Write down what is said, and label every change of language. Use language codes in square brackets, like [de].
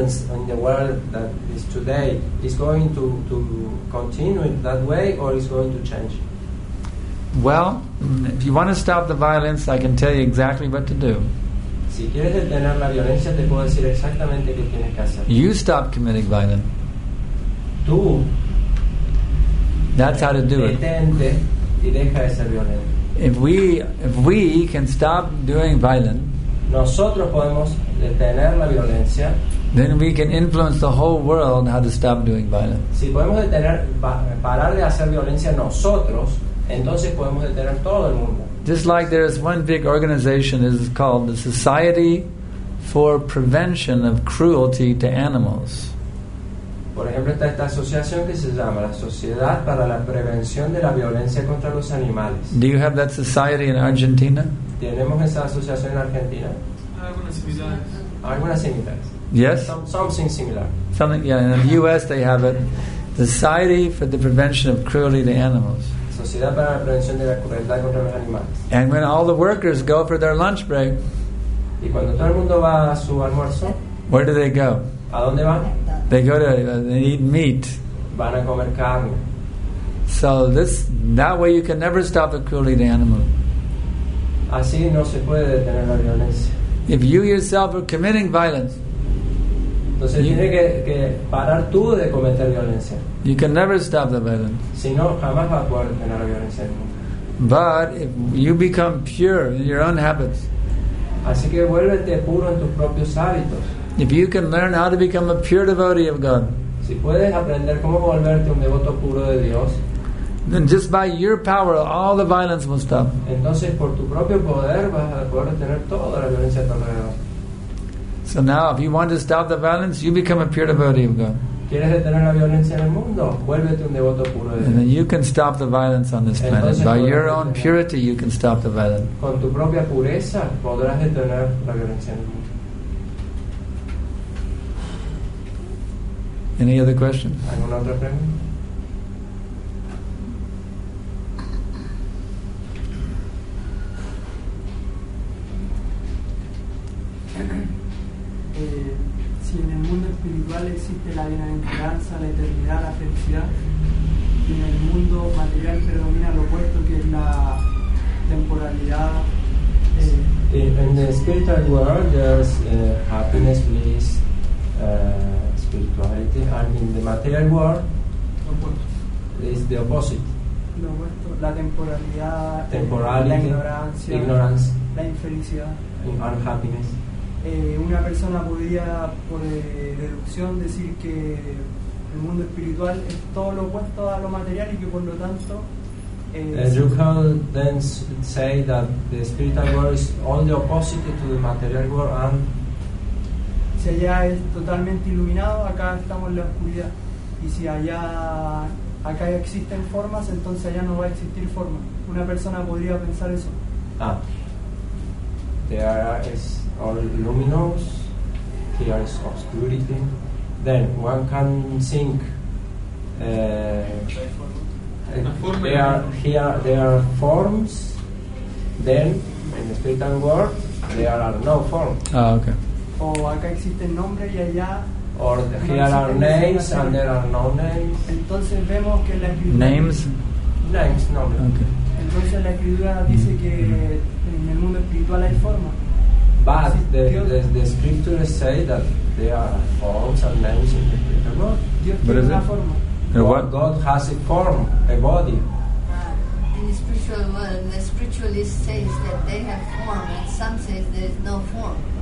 [en] in the world that is today is going to continue that way or is going to change? Well, if you want to stop the violence, I can tell you exactly what to do. [es] Si quieres detener la violencia, te puedo decir exactamente qué tienes que hacer. [en] You stop committing violence. [es] Tú. [en] That's how to do it. [es] Detente y deja de ser violento. [en] If we can stop doing violence, [es] nosotros podemos detener la violencia. [en] Then we can influence the whole world how to stop doing violence. [es] Si podemos parar de hacer violencia nosotros, entonces podemos detener todo el mundo. [en] Just like there is one big organization, it is called the Society for Prevention of Cruelty to Animals. [es] Por ejemplo, está esta asociación que se llama la Sociedad para la Prevención de la Violencia contra los Animales. [en] Do you have that society in Argentina? [es] ¿Tenemos esa asociación en Argentina? Algunas similares. [en] Yes? Something similar. Something, yeah, in the U.S. they have it. Society for the Prevention of Cruelty to Animals. [es] Sociedad para la Prevención de la Crueldad contra los Animales. [en] And when all the workers go for their lunch break, [es] y cuando todo el mundo va a su almuerzo, [en] where do they go? [es] ¿A dónde van? [en] They go to, they eat meat. [es] Van a comer carne. [en] So that way you can never stop the cruelty to animals. [es] Así no se puede detener la violencia. [en] If you yourself are committing violence, [es] entonces tiene que parar tú de cometer violencia. [en] You can never stop the violence. [es] Si no, jamás vas a poder tener la violencia en el mundo. [en] But if you become pure in your own habits, [es] así que vuélvete puro en tus propios hábitos. [en] If you can learn how to become a pure devotee of God, [es] si puedes aprender cómo volverte un devoto puro de Dios, [en] then just by your power, all the violence will stop. [es] Entonces por tu propio poder vas a poder tener toda la violencia a tu alrededor. [en] So now, if you want to stop the violence, you become a pure devotee of God. [es] ¿Quieres detener la violencia en el mundo? Vuélvete un devoto puro de Dios. [en] And then you can stop the violence on this planet. [es] Entonces, [en] by your own purity, you can stop the violence. [es] Con tu propia pureza, podrás detener la violencia en el mundo. [en] Any other questions? [es] ¿Alguna otra pregunta? Si en el mundo espiritual existe la bienaventuranza, la eternidad, la felicidad, y en el mundo material predomina lo opuesto, que es la temporalidad. [en] In the spiritual world, there's happiness, bliss, spirituality, and in the material world, it's the opposite. [es] Lo opuesto, la temporalidad, [en] temporality, [es] la ignorancia, [en] ignorance, [es] la infelicidad, [en] unhappiness. [es] Una persona podría, por deducción, decir que el mundo espiritual es todo lo opuesto a lo material y que, por lo tanto, [en] you can then say that the spiritual world is all the opposite to the material world, and [es] si allá es totalmente iluminado, acá estamos en la oscuridad, y si allá acá existen formas, entonces allá no va a existir forma. Una persona podría pensar eso. [en] There is all luminous, here is obscurity. Then one can think there are forms, then in the spiritual world there are no forms. Ah, okay. [es] Oh, acá existen nombres y allá. [en] Or here are names and there are no names. [es] Entonces vemos que la escritura [en] names, nombres. Okay. [es] Entonces la escritura dice que en el mundo espiritual hay forma. [en] But the scriptures say that there are forms and names in the spiritual world. What is it? What? God has a form, a body. In the spiritual world, the spiritualist says that they have form, and some say there is no form.